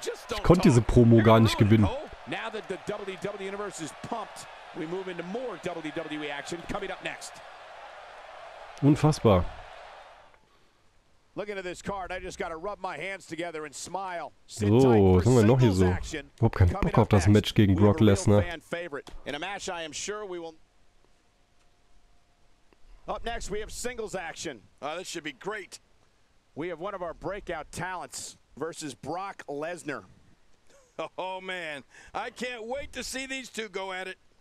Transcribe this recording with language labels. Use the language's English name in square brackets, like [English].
[German] Ich konnte diese Promo gar nicht gewinnen. [English] Now that the WWE Universe is pumped, we move into more WWE action coming up next. [German] Unfassbar. [English] Looking at this card, I just gotta rub my hands together and smile. [German] So, was haben wir noch hier so? Hab keinen Bock auf das Match gegen Brock Lesnar. [English] In a match I am sure we will. Up next we have singles action. This should be great. We have one of our breakout talents versus Brock Lesnar. Oh man, I can't wait to see these two go at it.